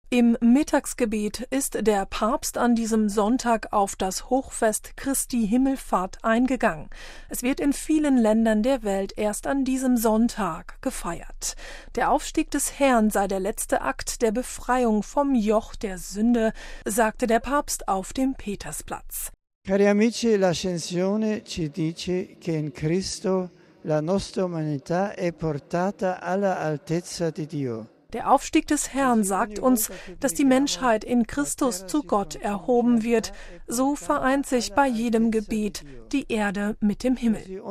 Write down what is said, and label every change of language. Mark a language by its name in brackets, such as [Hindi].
[German] Im Mittagsgebet ist der Papst an diesem Sonntag auf das Hochfest Christi Himmelfahrt eingegangen. Es wird in vielen Ländern der Welt erst an diesem Sonntag gefeiert. Der Aufstieg des Herrn sei der letzte Akt der Befreiung vom Joch der Sünde, sagte der Papst auf dem Petersplatz. [Italian] Cari amici, l'ascensione ci dice che in Cristo la nostra umanità è portata alla altezza di Dio. [German] Der Aufstieg des Herrn sagt uns, dass die Menschheit in Christus zu Gott erhoben wird. So vereint sich bei jedem Gebet die Erde mit dem Himmel.